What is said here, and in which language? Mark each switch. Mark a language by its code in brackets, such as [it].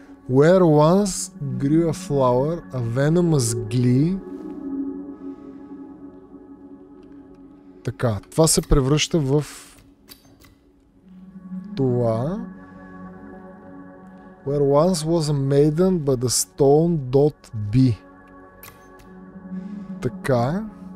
[en] Where once grew a flower, a venomous glee. [bg] Така, това се превръща в това. [en] Where once was a maiden, but a stone dot be. [bg] Така.